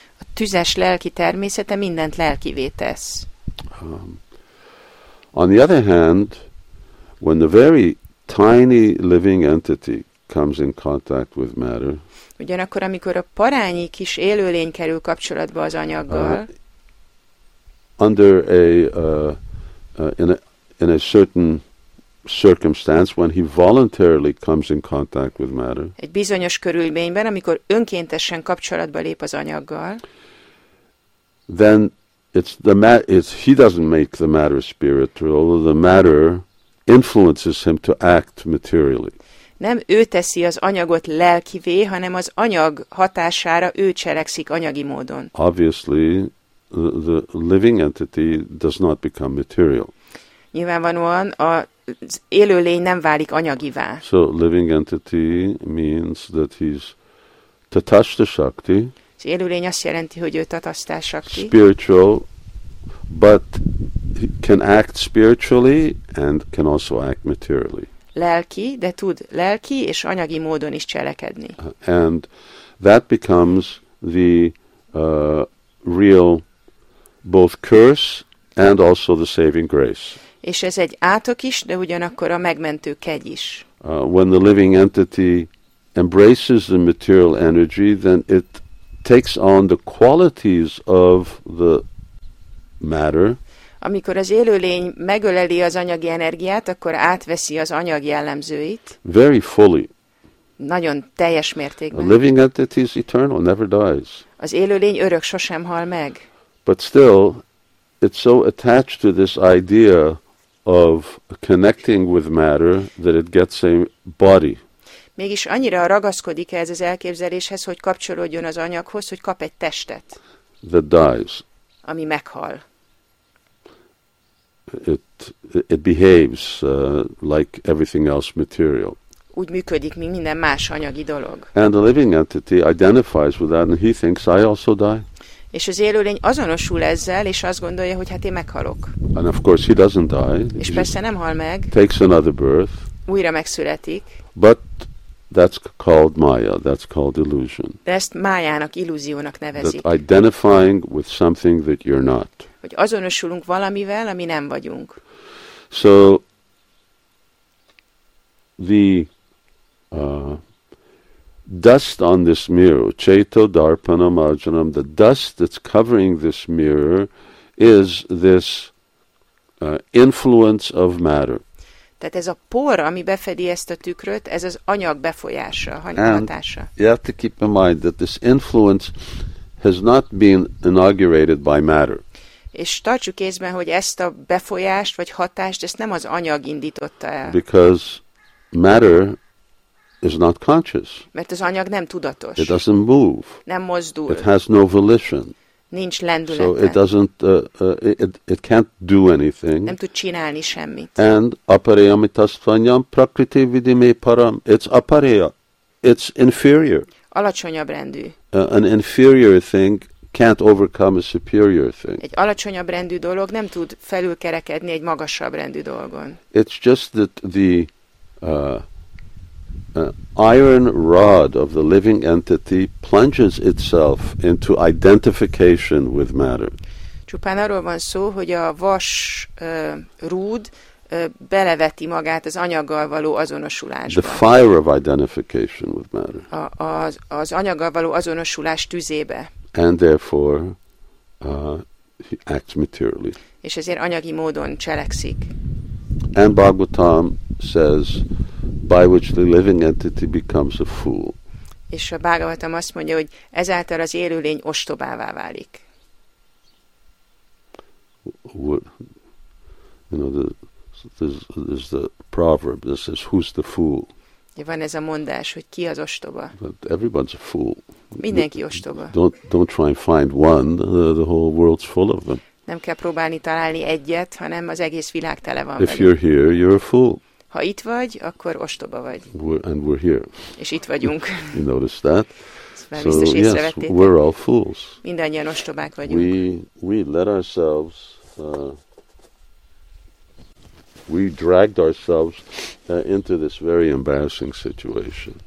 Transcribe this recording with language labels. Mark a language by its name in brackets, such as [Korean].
[Hungarian] A tüzes lelki természete mindent lelkivé tesz. [English] On the other hand, when the very tiny living entity comes in contact with matter, [Hungarian] ugyanakkor, amikor a parányi kis élőlény kerül kapcsolatba az anyaggal, [English] under a in a certain circumstance, when he voluntarily comes in contact with matter, [Hungarian] egy bizonyos körülményben, amikor önkéntesen kapcsolatba lép az anyaggal, [English] then he doesn't make the matter spiritual, the matter influences him to act materially. [Hungarian] Nem ő teszi az anyagot lelkivé, hanem az anyag hatására ő cselekszik anyagi módon. [English] Obviously, the living entity does not become material. [Hungarian] Nyilvánvalóan az élőlény nem válik anyagivá. [English] So living entity means that he's tatashta shakti. [Hungarian] Az élőlény azt jelenti, hogy ő tatashta shakti. [English] Spiritual, but can act spiritually and can also act materially. [Hungarian] Lelki, de tud lelki és anyagi módon is cselekedni. [English] And that becomes the real both curse and also the saving grace. [Hungarian] És ez egy átok is, de ugyanakkor a megmentő kegy is. [English] When the living entity embraces the material energy, then it takes on the qualities of the matter. [Hungarian] Amikor az élőlény megöleli az anyagi energiát, akkor átveszi az anyag jellemzőit. [English] Very fully. [Hungarian] Nagyon teljes mértékben. [English] A living entity is eternal, never dies. [Hungarian] Az élőlény örök, sosem hal meg. [English] But still, it's so attached to this idea of connecting with matter that it gets a body. [Hungarian] Mégis annyira ragaszkodik ez az elképzeléshez, hogy kapcsolódjon az anyaghoz, hogy kap egy testet. [English] That dies. [Hungarian] Ami meghal. [English] It behaves like everything else material. [Hungarian] Úgy működik, mint minden más anyagi dolog. [English] And the living entity identifies with that, and he thinks, I also die. [Hungarian] És az élőlény azonosul ezzel, és azt gondolja, hogy hát én meghalok. [English] And of course he doesn't die. [Hungarian] És persze nem hal meg. [English] Takes another birth. [Hungarian] Újra megszületik. [English] But that's called Maya, that's called illusion. [Hungarian] De ezt Mayának, illúziónak nevezik. [English] That identifying with something that you're not. [Hungarian] Hogy azonosulunk valamivel, ami nem vagyunk. [English] So, the dust on this mirror, ceto darpanam arjanam, the dust that's covering this mirror is this influence of matter. [Hungarian] Tehát ez a por, ami befedi ezt a tükröt, ez az anyag befolyása, hanyagatása. [English] And you have to keep in mind that this influence has not been inaugurated by matter. [Hungarian] És tartsuk észben, hogy ezt a befolyást, vagy hatást, ezt nem az anyag indította el. [English] Because matter is not conscious. [Hungarian] Mert az anyag nem tudatos. [English] It doesn't move. [Hungarian] Nem mozdul. [English] It has no volition. [Hungarian] Nincs lendülete. [English] So it doesn't, it can't do anything. [Hungarian] Nem tud csinálni semmit. [Sanskrit] And apareya mitasvanyam prakriti vidime param. [English] It's apareya. It's inferior. [Hungarian] Alacsonyabb rendű. [English] An inferior thing can't overcome a superior thing. [Hungarian] Egy alacsonyabb rendű dolog nem tud felülkerekedni egy magasabb rendű dolgon. [English] It's just that the iron rod of the living entity plunges itself into identification with matter. [Hungarian] Csupán arról van szó, hogy a vas rúd beleveti magát az anyaggal való azonosulásba. [English] The fire of identification with matter. [Hungarian] Az anyaggal való azonosulás tüzébe. [English] And therefore he acts materially. [Hungarian] És ezért anyagi módon cselekszik. [English] And Bhagavatam says, by which the living entity becomes a fool. [Hungarian] És a Bhagavatam azt mondja, hogy ezáltal az élőlény ostobává válik. [English] You know, there's the proverb that says, who's the fool? [Hungarian] Van ez a mondás, hogy ki az ostoba. [English] But everyone's a fool. [Hungarian] Mindenki ostoba. [English] Don't try and find one, the whole world's full of them. [Hungarian] Nem kell próbálni találni egyet, hanem az egész világ tele van. [English] If you're here, you're a fool. [Hungarian] Ha itt vagy, akkor ostoba vagy. [English] And we're here. [Hungarian] És itt vagyunk. [English] You notice that? So yes, we're all fools. [Hungarian] Mindannyian ostobák vagyunk. [English] We let ourselves, we dragged ourselves into this very embarrassing situation.